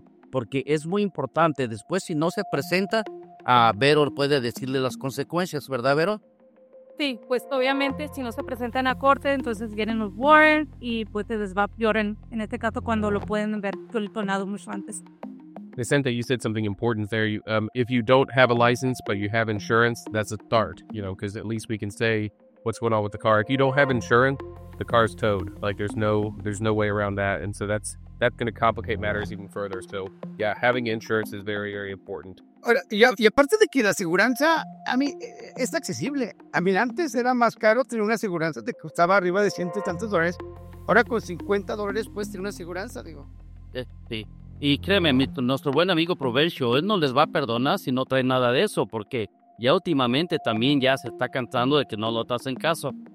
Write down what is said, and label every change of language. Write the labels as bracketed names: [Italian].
[Spanish] Porque es muy importante. Después, si no se presenta, a Vero puede decirle las consecuencias, ¿verdad, Vero? Sí, pues obviamente si no se presentan a corte, entonces vienen los warrants y pues se les va a peor en este caso cuando lo pueden ver tonado mucho antes. [English] Vicente, you said something important there. If you don't have a license but you have insurance, that's a start, you know, because at least we can say what's going on with the car. If you don't have insurance, the car's towed. Like there's no way around that, and so that's going to complicate matters even further. So, yeah, having insurance is very, very important. [Spanish] Ahora, y aparte de que la aseguranza, a mí, es accesible. A mí antes era más caro tener una aseguranza, te costaba arriba de ciento y tantos dólares. Ahora con $50 puedes tener una aseguranza, digo. Sí, y créeme, nuestro buen amigo Provecho, él no les va a perdonar si no trae nada de eso, porque ya últimamente también ya se está cansando de que no lo hacen caso.